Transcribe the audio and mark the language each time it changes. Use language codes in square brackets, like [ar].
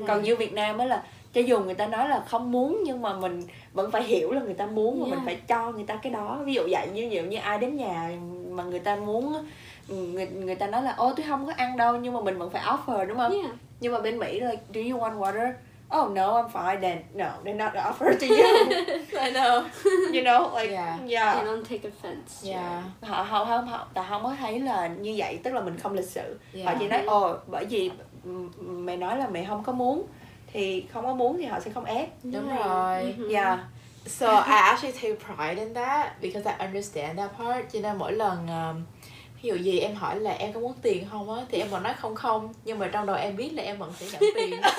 [vi] Còn như Việt Nam á là cho dù người ta nói là không muốn nhưng mà mình vẫn phải hiểu là người ta muốn và mình phải cho người ta cái đó. Ví dụ vậy, như ai đến nhà mà người ta muốn, người ta nói là ô tôi không có ăn đâu, nhưng mà mình vẫn phải offer, đúng không? Nhưng mà bên Mỹ là like, do you want water? [en] Oh no, I'm fine, then no, they're not offer to you. I know. You know, like yeah. They don't take offense. Yeah. [vi] Họ mới thấy là như vậy, tức là mình không lịch sự. Họ chỉ nói ô bởi vì mày nói là mày không có muốn, thì không có muốn thì họ sẽ không ép. Đúng rồi. [en] So I actually take pride in that because I understand that part. [vi] Cho nên mỗi lần ví dụ gì em hỏi là em có muốn tiền không á thì em vẫn nói không không, nhưng mà trong đầu em biết là em vẫn sẽ nhận tiền.